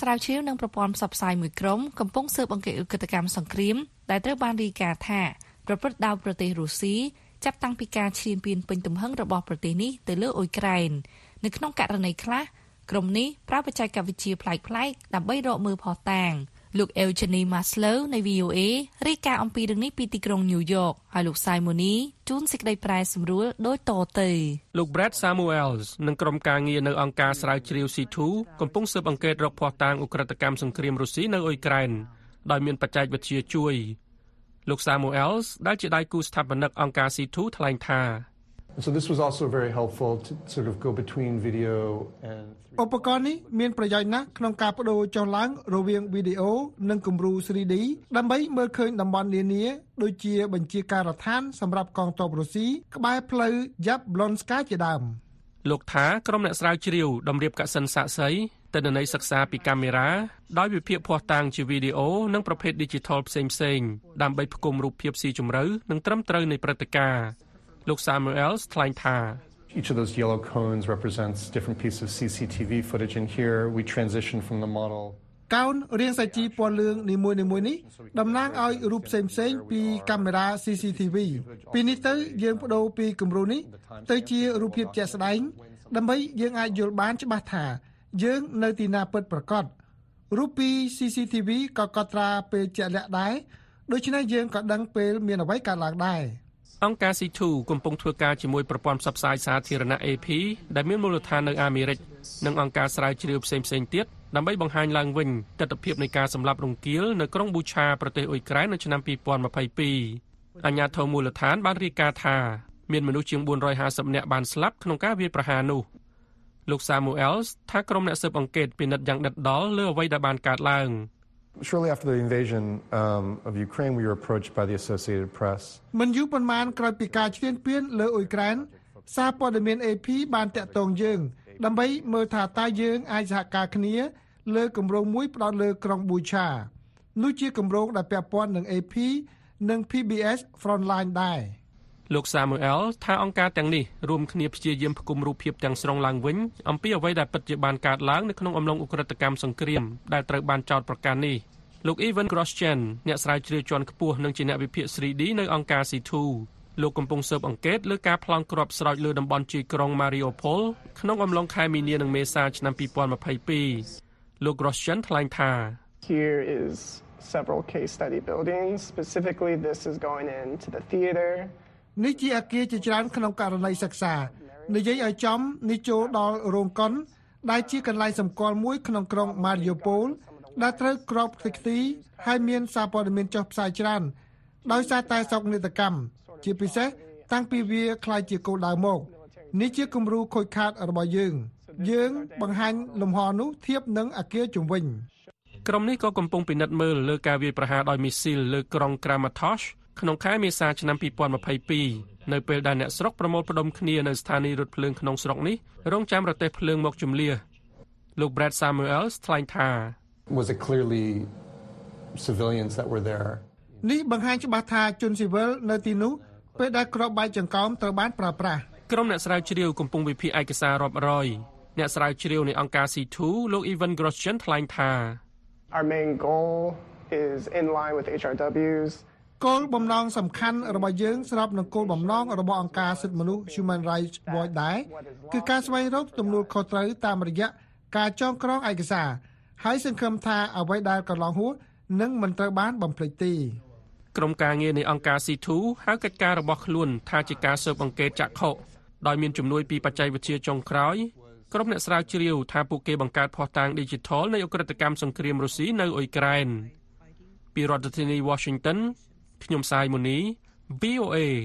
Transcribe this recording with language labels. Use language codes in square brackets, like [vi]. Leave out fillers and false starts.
[km] ស្រាវជ្រាវនិងប្រព័ន្ធផ្សព្វផ្សាយមួយក្រុមកំពុងស៊ើបអង្កេតឧក្រិដ្ឋកម្មសង្គ្រាមដែលត្រូវបានរាយការណ៍ថាប្រព្រឹត្តដោយប្រទេសរុស្ស៊ីចាប់តាំងពីការឈ្លានពានពេញទំហឹងរបស់ប្រទេសនេះទៅលើអ៊ុយក្រែននៅក្នុងករណីខ្លះក្រុមនេះប្រើបច្ចេកវិទ្យាប្លែកៗដើម្បីរកមើលភស្តុតាងលោកអេលជានីម៉ាស្លូវនៃ VOA រាយការណ៍អំពីរឿងនេះពីទីក្រុងញូវយ៉កហើយលោកសៃម៉ូនីជូនសេចក្តីប្រែសម្រួលដូចតទៅ លោក Brad Samuels និងក្រុមការងារនៅអង្គការស្រាវជ្រាវ C2 កំពុងស៊ើបអង្កេតរកភស្តុតាងឧក្រិដ្ឋកម្មសង្គ្រាមរុស្ស៊ីនៅអ៊ុយក្រែនដោយមានបច្ចេកវិទ្យាជួយលោក Samuels ដែលជាដៃគូស្ថាបនិកអង្គការ C2 ថ្លែងថា [en] So this was also very helpful to sort of go between video and [km] ឧបករណ៍នេះមានប្រយោជន៍ណាស់ក្នុងការបដូរចុះឡើងរវាងវីដេអូនិងគំរូ 3D ដើម្បីមើលឃើញតំបន់នានាដូចជាបញ្ជាការដ្ឋានសម្រាប់កងទ័ពរុស្ស៊ីក្បែរផ្លូវ Yablonska ជាដើម លោកថាក្រុមអ្នកស្រាវជ្រាវតម្រៀបកសិនស័ក្តិសិទ្ធន័យសិក្សាពីកាមេរ៉ាដោយវិភាគភស្តុតាងជាវីដេអូនិងប្រភេទ Digital ផ្សេងៗដើម្បីផ្គុំរូបភាពស៊ីជម្រៅនិងត្រឹមត្រូវនៃព្រឹត្តិការណ៍លោក Samuels ថ្លែងថា [en] Each of those yellow cones represents different pieces of CCTV footage in here. We transition from the model. [km] កោនរាងសាជីពណ៌លឿងនីមួយៗនេះតំណាងឲ្យរូបផ្សេងៗពីកាមេរ៉ា CCTV. ពីនេះទៅយើងបដូរពីគំរូនេះទៅជារូបភាពជាក់ស្ដែងដើម្បីយើងអាចយល់បានច្បាស់ថាយើងនៅទីណាពិតប្រាកដ។រូបពី CCTV ក៏កត់ត្រាពេលជាក់លាក់ដែរដូច្នេះយើងក៏ដឹងពេលមានអ្វីកើតឡើងដែរ។ អង្គការ C2 កំពុងធ្វើការជាមួយប្រព័ន្ធផ្សព្វផ្សាយសាធារណៈ AP ដែលមានមូលដ្ឋាននៅអាមេរិកនិងអង្គការស្រាវជ្រាវផ្សេងៗទៀតដើម្បីបង្ហាញឡើងវិញទិដ្ឋភាពនៃការសម្លាប់រង្គាលនៅក្រុងប៊ូឆាប្រទេសអ៊ុយក្រែននៅឆ្នាំ2022អញ្ញាធិបតីមូលដ្ឋានបានរាយការណ៍ថាមានមនុស្សជាង450នាក់បានស្លាប់ក្នុងការវាយប្រហារនោះលោក Samuels ថាក្រុមអ្នកស៊ើបអង្កេតពិនិត្យយ៉ាងដិតដល់លើអ្វីដែលបានកើតឡើង [en] Shortly after the invasion of Ukraine we were approached by the Associated Press. [km] មិនយូរប៉ុន្មានក្រោយពីការឈ្លានពានលើអ៊ុយក្រែនសារព័ត៌មាន AP បានតាក់ទងយើងដើម្បីមើលថាតើយើងអាចសហការគ្នាលើគម្រោងមួយផ្ដោតលើក្រុងប៊ូឆានោះជាគម្រោងដែលពាក់ព័ន្ធនឹង AP និង PBS Frontline ដែរ លោក Samuel ថាអង្គការទាំងនេះរួមគ្នាព្យាយាមផ្គុំរូបភាពទាំងស្រុងឡើងវិញអំពីអ្វីដែលពិតជាបានកើតឡើងនៅក្នុងអំឡុងឧក្រិដ្ឋកម្មសង្គ្រាមដែលត្រូវបានចោទប្រកាន់នេះលោក Ivan Groschen អ្នកស្រាវជ្រាវជាន់ខ្ពស់និងជាអ្នកវិភាគ 3D នៅអង្គការ C2 លោកកំពុងស៊ើបអង្កេតលើការប្លង់គ្រាប់ស្រោចលើតំបន់ជាយក្រុង Mariupol ក្នុងអំឡុងខែមីនានិងមេសាឆ្នាំ2022លោក Groschen ថ្លែងថា [en] Here is several case study buildings specifically this is going into the theater. [km] នេះជាអគារជាច្រើនក្នុងករណីសិក្សានិយាយឲ្យចំនេះចូលដល់រោងកុនដែលជាកន្លែងសម្គាល់មួយក្នុងក្រុង Mariupol ដែលត្រូវក្របខ្ទេចខ្ទីហើយមានសារព័ត៌មានចុះផ្សាយច្រើនដោយសារតែសោកនាដកម្មជាពិសេសតាំងពីវាក្លាយជាគោលដៅមកនេះជាគំរូខូចខាតរបស់យើងយើងបង្ហាញលំហនោះធៀបនឹងអគារជុំវិញ ក្រុមនេះក៏កំពុងពិនិត្យមើលលើការវាយប្រហារដោយមីស៊ីលលើក្រុង Kramatorsk ក្នុងខែមេសាឆ្នាំ2022នៅពេលដែលអ្នកស្រុកប្រមូលផ្ដុំគ្នានៅស្ថានីយ៍រថភ្លើងក្នុងស្រុកនេះរងចាំរទេះភ្លើងមកជម្លៀសលោក Brad Samuels ថ្លែងថា [en] Was it clearly civilians that were there [km] នេះបង្ហាញច្បាស់ថាជនស៊ីវិលនៅទីនោះពេលដែលក្របបាយចង្កោមត្រូវបានប្រើប្រាស់ក្រុមអ្នកស្រាវជ្រាវកំពុងវិភាគឯកសាររាប់រយអ្នកស្រាវជ្រាវនៃអង្គការ C2 លោក Ivan Groschen ថ្លែងថា [en] Our main goal is in line with HRW's [km] គោលបំណងសំខាន់របស់យើងស្របនឹងគោលបំណងរបស់អង្គការសិទ្ធិមនុស្ស Human Rights Watch ដែរគឺការស្វែងរកទំនួលខុសត្រូវតាមរយៈការចងក្រងឯកសារហើយសង្ឃឹមថាអ្វីដែលកន្លងហួសនឹងមិនត្រូវបានបំភ្លេចទេ ក្រុមការងារនៃអង្គការ C2 ហៅកិច្ចការរបស់ខ្លួនថាជាការស៊ើបអង្កេតចាក់ខុសដោយមានជំនួយពីបច្ចេកវិទ្យាចុងក្រោយក្រុមអ្នកស្រាវជ្រាវថាពួកគេបង្កើតភស្តុតាង Digital នៃឧក្រិដ្ឋកម្មសង្គ្រាមរុស្ស៊ីនៅអ៊ុយក្រែនពីរដ្ឋធានី Washingtonខ្ញុំសាយមូនី VOA